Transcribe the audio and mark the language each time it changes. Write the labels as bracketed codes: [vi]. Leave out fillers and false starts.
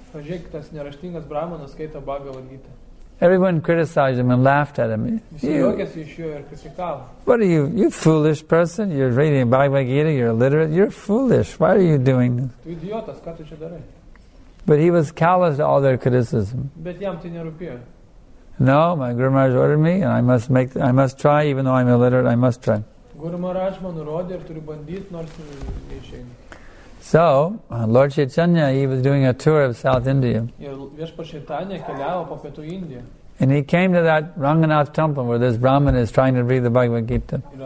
[lt] Pažiūrėk, tas neraštingas brahmanas skaito Bhagavad Gita. [en] Everyone criticized him and laughed at him. What are you, you foolish person? You're reading Bhagavad Gita, you're illiterate, you're foolish. Why are you doing this? [lt] Tu idiotas, ką tu čia darai? [en] But he was callous to all their criticism. [lt] Bet jam tai nerūpėjo. [en] No, my Guru Maharaj ordered me and I must try, even though I'm illiterate, I must try. [lt] Guru Maharaj man nurodė ir turiu bandyti, nors neišeina. [en] So, Lord Chaitanya, he was doing a tour of South India. And he came to that Ranganath temple where this Brahmin is trying to read the Bhagavad Gita.